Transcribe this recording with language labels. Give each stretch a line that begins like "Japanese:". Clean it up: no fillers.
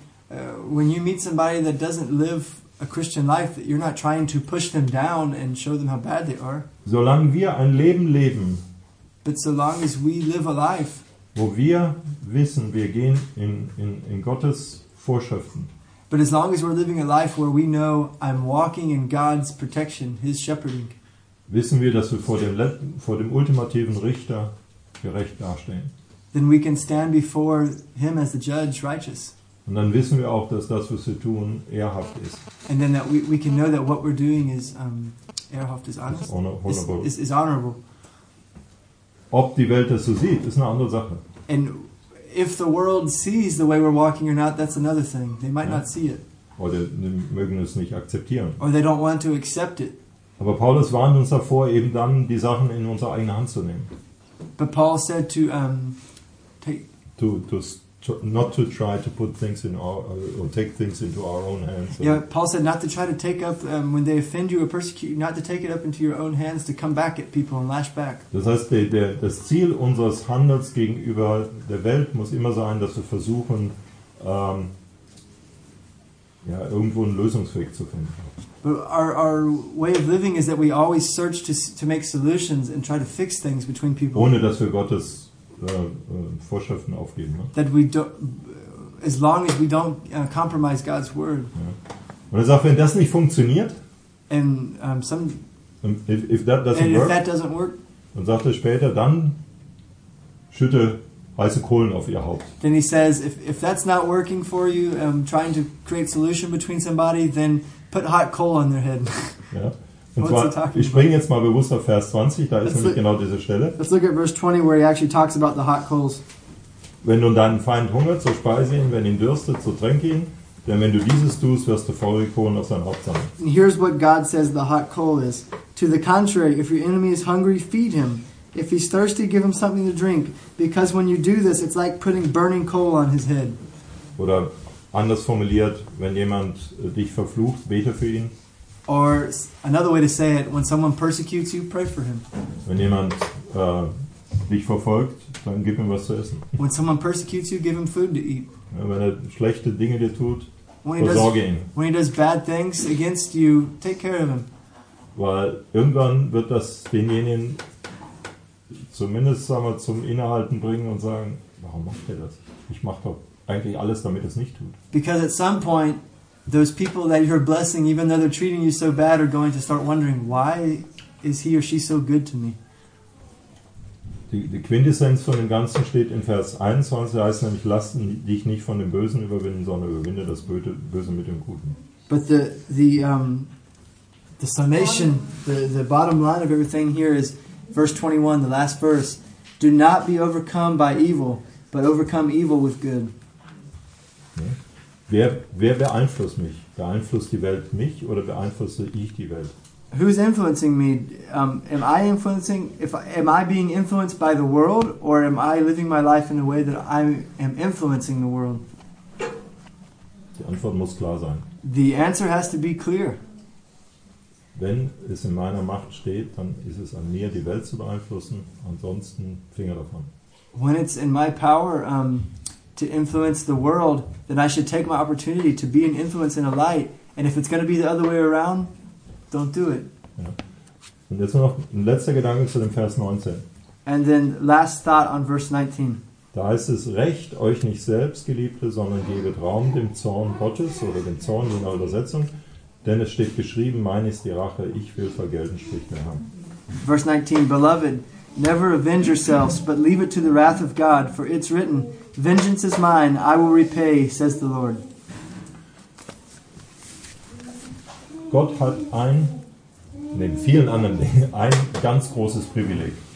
English: when you meet somebody that doesn't live a Christian life, that you're not trying to push them down and show them how bad they are.
German: Solange wir ein Leben leben.
English: But so long as we live a life,
German: wo wir wissen, wir gehen in Gottes Vorschriften.
English: But as long as we're living a life where we know I'm walking in God's protection, His shepherding.
German: Wissen wir, dass wir vor dem ultimativen Richter gerecht dastehen.
English: Then we can stand before Him as the judge, righteous.
German: Und dann wissen wir auch, dass das, was wir tun, ehrhaft ist.
English: And then that we can know that what we're doing is ehrhaft, is honest. Is honorable.
German: Ob die Welt das so sieht, ist eine andere Sache.
English: And if the world sees the way we're walking or not, that's another thing. They might not see it.
German: Oder die mögen es nicht akzeptieren.
English: Or they don't want to accept it.
German: Aber Paulus warnt uns davor, eben dann die Sachen in unsere eigene Hand zu nehmen.
English: But Paul said to take. To not to try to put things in our or take things into our own hands. Yeah, Paul said not to try to take up when they offend you or persecute you, not to take it up into your own hands to come back at people and lash back.
German: Das heißt, das Ziel unseres Handels gegenüber der Welt muss immer sein, dass wir versuchen, irgendwo einen Lösungsweg zu finden.
English: But our way of living is that we always search to make solutions and try to fix things between people.
German: Ohne dass wir Gottes Vorschriften aufgeben. Ne?
English: That we don't, as long as we don't compromise God's word.
German: Ja. Und er sagt, wenn das nicht funktioniert,
English: and some, if that doesn't and work, if that doesn't work,
German: dann sagt er später, dann schütte heiße Kohlen auf ihr Haupt.
English: Then he says, if that's not working for you, trying to create solution between somebody, then put hot coal on their head.
German: Ja. Und zwar, ich springe jetzt mal bewusst auf Vers 20, da ist nämlich genau diese Stelle.
English: Let's look at verse 20, where he actually talks about the hot coals.
German: Wenn nun deinen Feind hungert, so speise ihn, wenn ihn dürstet, so tränke ihn, denn wenn du dieses tust, wirst du feurige Kohlen auf sein Haupt sammeln.
English: And here's what God says the hot coal is. To the contrary, if your enemy is hungry, feed him. If he's thirsty, give him something to drink. Because when you do this, it's like putting burning coal on his head.
German: Oder anders formuliert, wenn jemand dich verflucht, bete für ihn.
English: Or another way to say it, when someone persecutes you, pray for him.
German: Wenn jemand dich verfolgt, dann gib ihm was zu essen.
English: When someone persecutes you, give him food to eat.
German: Ja, wenn er schlechte Dinge dir tut, versorge ihn.
English: When he does bad things against you, take care of him.
German: Weil irgendwann wird das denjenigen zumindest, sagen wir, zum Innehalten bringen und sagen, warum macht er das? Ich mache doch eigentlich alles, damit er es nicht tut.
English: Because at some point, those people that you're blessing, even though they're treating you so bad, are going to start wondering, why is he or she so good to me?
German: Die Quintessenz von dem Ganzen steht in Vers 21, heißt nämlich, lass dich nicht von dem Bösen überwinden, sondern überwinde das Böse mit dem Guten.
English: But the summation, the bottom line of everything here is verse 21, the last verse. Do not be overcome by evil, but overcome evil with good.
German: Wer beeinflusst mich? Beeinflusst die Welt mich oder beeinflusse ich die Welt?
English: Who's influencing me? Am I influencing? Am I being influenced by the world or am I living my life in a way that I am influencing the world?
German: Die Antwort muss klar sein.
English: The answer has to be clear.
German: Wenn es in meiner Macht steht, dann ist es an mir, die Welt zu beeinflussen. Ansonsten Finger davon.
English: When it's in my power, to influence the world, then I should take my opportunity to be an influence and a light. And if it's going to be the other way around, don't do it.
German: Ja. Und jetzt noch ein letzter Gedanke zu dem Vers 19.
English: And then last thought on verse 19.
German: Da heißt es, recht euch nicht selbst, Geliebte, sondern gebet Raum dem Zorn Gottes oder dem Zorn in der Übersetzung. Denn es steht geschrieben, mein ist die Rache, ich will vergelten, spricht der Herr.
English: Verse 19, beloved, never avenge yourselves, but leave it to the wrath of God, for it's written, vengeance is mine, I will repay, says the Lord.
German: Gott hat neben vielen anderen Dingen, ein ganz großes Privileg.